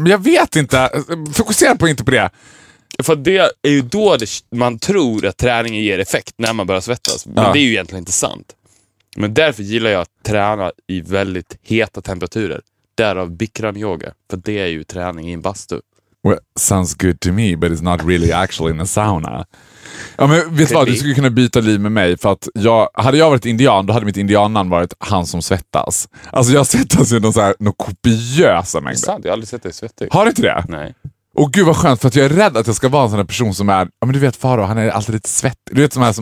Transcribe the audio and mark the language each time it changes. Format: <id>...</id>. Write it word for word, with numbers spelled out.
<sv>Men jag vet inte. Fokusera på inte på det. För det är ju då det, man tror att träningen ger effekt när man börjar svettas. Men ja. Det är ju egentligen inte sant. Men därför gillar jag att träna i väldigt heta temperaturer. Därav Bikram yoga. För det är ju träning i en bastu.</sv> <en>Well, sounds good to me, but it's not really actually in a sauna.</en> <sv>Ja, men vet du vad? Du skulle kunna byta liv med mig. För att jag, hade jag varit indian, då hade mitt indiannamn varit han som svettas. Alltså jag svettas ju någon så här, någon kopiösa mängder. Det är sant, jag har aldrig sett dig svettig. Har du inte det? Nej. Och gud vad skönt, för att jag är rädd att jag ska vara en sån här person som är... Ja, men du vet Faro, han är alltid lite svettig. Du vet, som här, som</sv>